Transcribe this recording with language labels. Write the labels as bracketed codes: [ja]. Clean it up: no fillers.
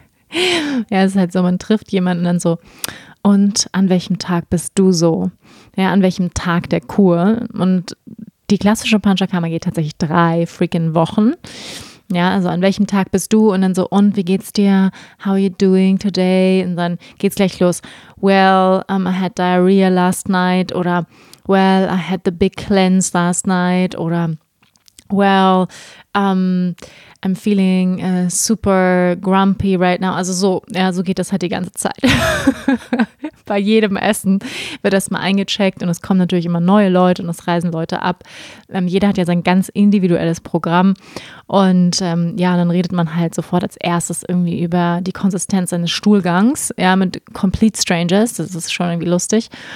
[de] Ja, es ist halt so, man trifft jemanden dann so, und an welchem Tag bist du so? Ja, an welchem Tag der Kur? Und die klassische Panchakarma geht tatsächlich 3 freaking Wochen. Ja, also an welchem Tag bist du? Und dann so, und wie geht's dir? [en] How are you doing today? [de] Und dann geht's gleich los. [en] Well, I had diarrhea last night. [de] Oder, [en] well, I had the big cleanse last night. [de] Oder, [en] well, I'm feeling super grumpy right now. [de] Also so, ja, so geht das halt die ganze Zeit. Bei jedem Essen wird das mal eingecheckt und es kommen natürlich immer neue Leute und es reisen Leute ab. Jeder hat ja sein ganz individuelles Programm und ja, dann redet man halt sofort als erstes irgendwie über die Konsistenz seines Stuhlgangs, ja, mit [en] Complete Strangers, [de] das ist schon irgendwie lustig.